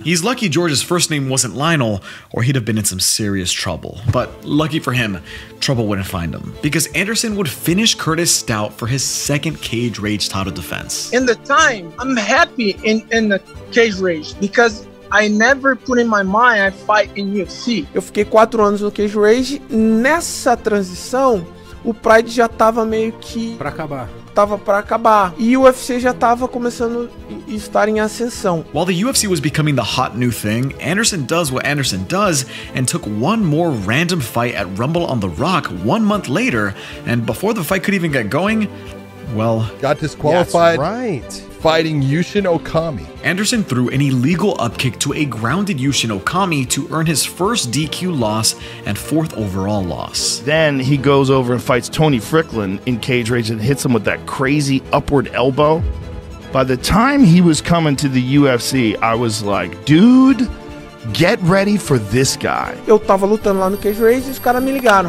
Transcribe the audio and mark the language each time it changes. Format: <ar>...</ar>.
<en>He's lucky George's first name wasn't Lionel, or he'd have been in some serious trouble. But lucky for him, trouble wouldn't find him, because Anderson would finish Curtis Stout for his second Cage Rage title defense. In the time, I'm happy in the Cage Rage, because I never put in my mind I'd fight in UFC.</en> <pt>Eu fiquei 4 anos no Cage Rage. Nessa transição, o Pride já tava meio que... Pra acabar. Tava pra acabar. E o UFC já tava começando a estar em ascensão.</pt> <en>While the UFC was becoming the hot new thing, Anderson does what Anderson does and took one more random fight at Rumble on the Rock 1 month later. And before the fight could even get going, well... Got disqualified. That's right. Fighting Yushin Okami. Anderson threw an illegal upkick to a grounded Yushin Okami to earn his first DQ loss and fourth overall loss. Then he goes over and fights Tony Fricklin in Cage Rage and hits him with that crazy upward elbow. By the time he was coming to the UFC, I was like, dude, get ready for this guy.</en> <pt>Eu tava lutando lá no Cage Rage e os caras me ligaram.</pt>